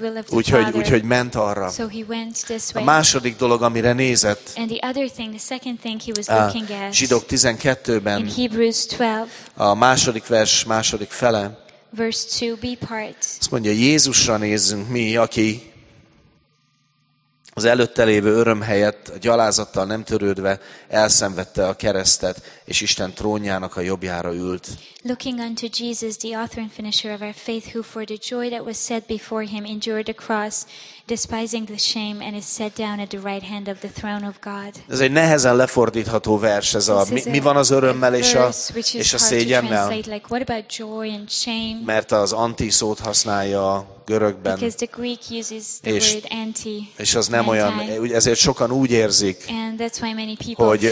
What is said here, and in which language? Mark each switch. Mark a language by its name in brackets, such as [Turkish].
[Hungarian] Úgyhogy ment arra. A második dolog, amire nézett, Zsidók 12-ben, a második vers, második fele, azt mondja, Jézusra nézzünk mi, aki az előtte lévő öröm helyett, a gyalázattal nem törődve, elszenvedte a keresztet, és Isten trónjának a jobbjára ült. [English] Looking unto Jesus, the author and finisher of our faith, who for the joy that was set before him endured the cross, despising the shame, and is set down at the right hand of the throne of God. [Hungarian] Ez egy nehezen lefordítható vers, ez a mi van az örömmel és a szégyennel. [English] Like, what about joy and shame? [Hungarian] Mert az anti szót használja a görögben. [English] Because the Greek uses the word anti. [Hungarian] És az nem olyan, ezért sokan úgy érzik, [English] and that's why many people